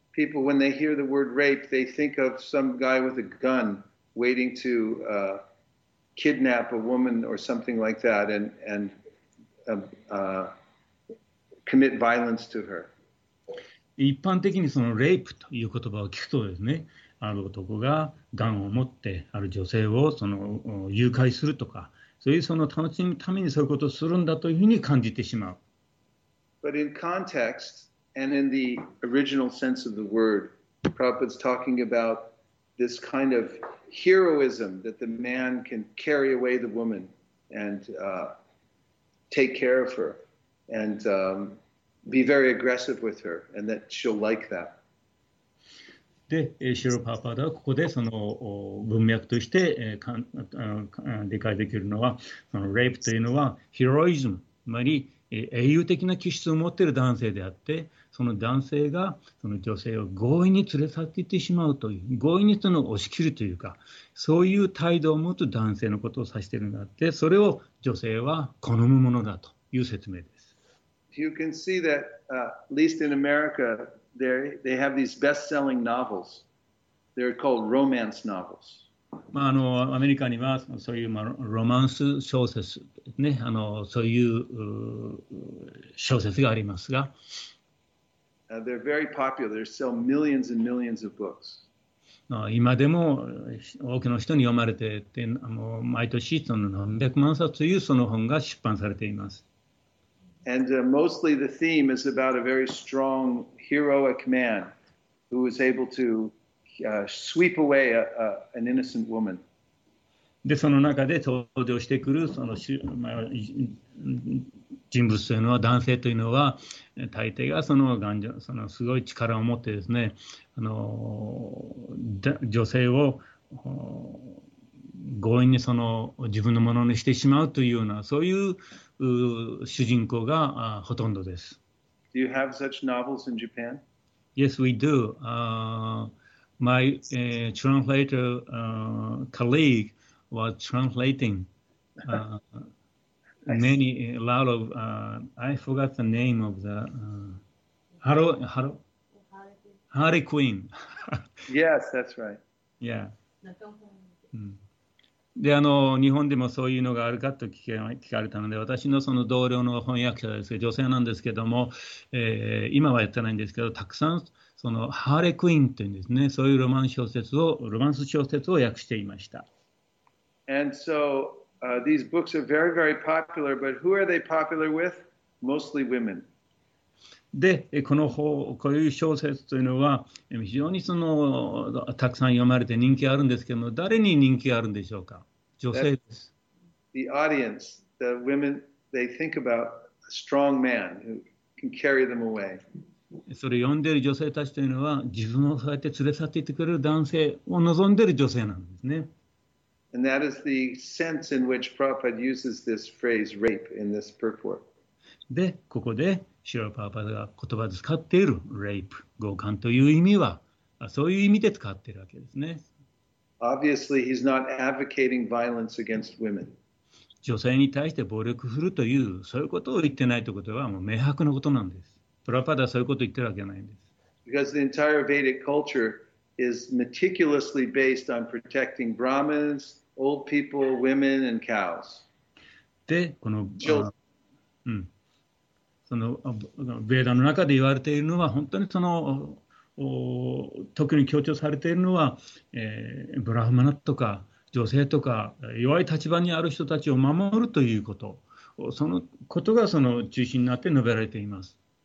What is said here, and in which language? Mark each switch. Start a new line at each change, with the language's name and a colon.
English: People, when they hear the word rape, they think of some guy with a gun waiting to kidnap a woman or something like that and commit violence to her.
Japanese: 一般的にそのレイプという言葉を聞くとですね、ある男がガンを持ってある女性をその誘拐するとか、そういうその楽しむためにそういうことをするんだというふうに感じてしまう。
English: But in context,And in the original sense of the word, Prabhupada's talking about this kind of heroism that the man can carry away the woman and take care of her and be very aggressive with her and that she'll like that.
Japanese: で、シロパーパーダはここでその文脈として理解できるのは、その rape というのはヒロイズム、つまり英雄的な気質を持っている男性であって、その男性がその女性を強引に連れ去っていってしまうという、強引にその押し切るというか、そういう態度を持つ男性のことを指しているんだって、それを女性は好むものだという説明です。
English: You can see that, at least in America, they have these best-selling novels. They're called romance novels.
Japanese: まあ、あのアメリカにはそういう、まあ、ロマンス小説、ね、あのそういう小説がありますが、
English: they're very popular. They sell millions and millions of books.
Japanese: 今でも多くの人に読まれていて、毎年その何百万冊というその本が出版されています。
English: And mostly the theme is about a very strong heroic man who is able to. Sweep away an innocent woman.
Japanese: で、その中で登場してくるその、まあ、人物というのは男性というのは大抵がその頑丈そのすごい力を持ってですね、女性を強引にその自分のものにしてしまうというようなそういう主人公がほとんどです。
English: Do you have such novels in Japan? Yes, we do. My translator colleague was translating many, a lot of, I forgot the name of the, Haru? Harley Quinn. Yes, that's right. Yeah.
Japanese: で、日本でもそういうのがあるかと聞かれたので、私のその同僚の翻訳者ですけど、女性なんですけども、今はやってないんですけど、たくさん、そのハーレクイーンというんですね、そういうロマンス小説を、ロマンス小説を訳していました。
English: And so, these books are very, very popular, but who are they popular with? Mostly women.
Japanese: で、この本、こういう小説というのは、非常にその、たくさん読まれて人気あるんですけども、誰に人気あるんでしょうか？女性です。
English: The audience, the women, they think about a strong man who can carry them away.
Japanese: それを読んでいる女性たちというのは自分をそうやって連れ去っていってくれる男性を望んでいる女性なんですね。
English: And that is the sense in which Prabhupada uses this phrase rape in this purport.
Japanese: で、ここでシュラル・プラーパダが言葉で使っている rape、強姦という意味はそういう意味で使っているわけですね。
English: Obviously, he's not advocating violence against women.
Japanese: 女性に対して暴力振るというそういうことを言ってないということはもう明白なことなんです。プラパダはそういうことを言ってるわけないんです。
English: Because the entire Vedic culture is meticulously based on protecting Brahmins, old people, women, and cows.
Japanese: で、この、その、ベーダの中で言われているのは、本当にその、特に強調されているのは、ブラフマナとか女性とか弱い立場にある人たちを守るということ、そのことがその中心になって述べられています。